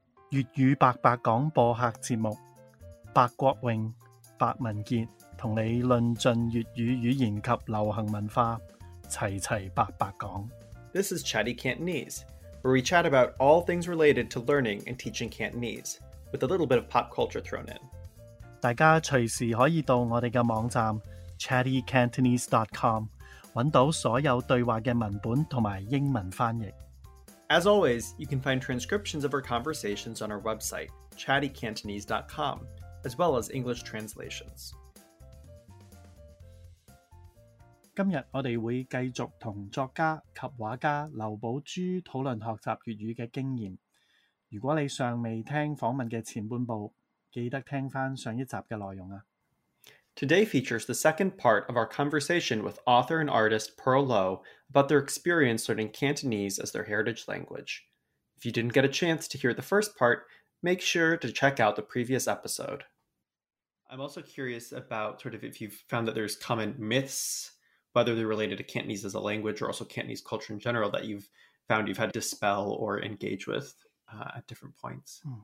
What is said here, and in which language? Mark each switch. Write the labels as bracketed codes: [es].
[yue] 粤语白白广播客节目，白国荣、白文杰同你论尽粤语语言及流行文化，齐齐白白讲。 [en] This is Chatty Cantonese, where we chat about all things related to learning and teaching Cantonese, with a little bit of pop culture thrown in. [yue] 大家随时可以到我哋嘅网站 chattycantonese.com 揾到所有对话嘅文本同埋英文翻译。 [en] As always, you can find transcriptions of our conversations on our website, chattycantonese.com, as well as English translations. [yue] 今日我哋会继续同作家及画家刘宝珠讨论学习粤语嘅经验。如果你尚未听访问嘅前半部，记得听翻上一集嘅内容啊。 [en] Today features the second part of our conversation with author and artist Pearl Low about their experience learning Cantonese as their heritage language. If you didn't get a chance to hear the first part, make sure to check out the previous episode. I'm also curious about sort of if you've found that there's common myths, whether they're related to Cantonese as a language or also Cantonese culture in general, that you've found you've had to dispel or engage with at different points.